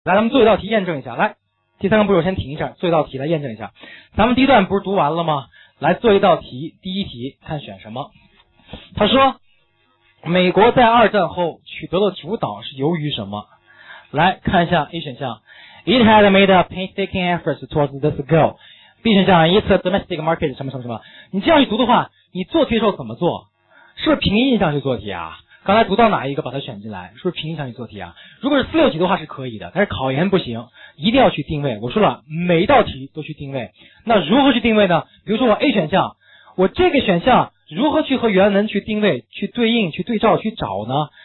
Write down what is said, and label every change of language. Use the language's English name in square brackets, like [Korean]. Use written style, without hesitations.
[Chinese] 来，咱们做一道题验证一下。来，第三个步骤先停一下，做一道题来验证一下。咱们第一段不是读完了吗？来做一道题，第一题看选什么。他说美国在二战后取得了主导是由于什么。来看一下 A 选项， [English] It had made a painstaking effort towards this goal。 [Chinese] B 选项， [English] It's a domestic market [Chinese] 什么什么什么。你这样一读的话，你做题的时候怎么做？是不是凭印象去做题啊？刚才读到哪一个把它选进来，是不是凭印象去做题啊？如果是四六级的话是可以的，但是考研不行，一定要去定位。我说了每一道题都去定位。那如何去定位呢？比如说我 A 选项，我这个选项如何去和原文去定位，去对应，去对照，去找呢？